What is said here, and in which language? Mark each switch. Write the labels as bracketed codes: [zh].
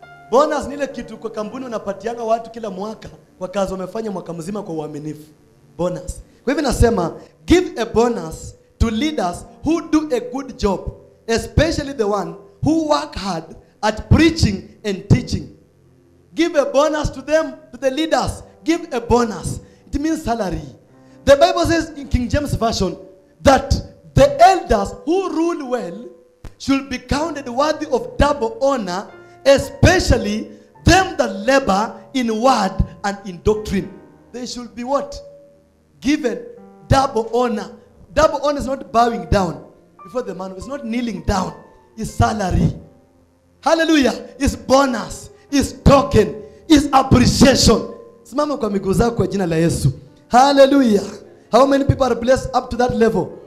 [sw] Bonus ni ile kitu kwa kampuni unapatianga watu kila mwaka kwa kazi wamefanya mwaka mzima kwa uaminifu. Bonus. Kwa hivyo nasema, [en] give a bonus to leaders who do a good job, especially the one who work hard at preaching and teaching. Give a bonus to them, to the leaders. Give a bonus. It means salary. The Bible says in King James Version that the elders who rule well should be counted worthy of double honor, especially them that labor in word and in doctrine. They should be what? Given double honor. Double honor is not bowing down before the man. It's not kneeling down. It's salary. Hallelujah. It's bonus. It's token. It's appreciation. [sw] Simama kwa miguu zako kwa jina la Yesu. [en] Hallelujah. How many people are blessed up to that level?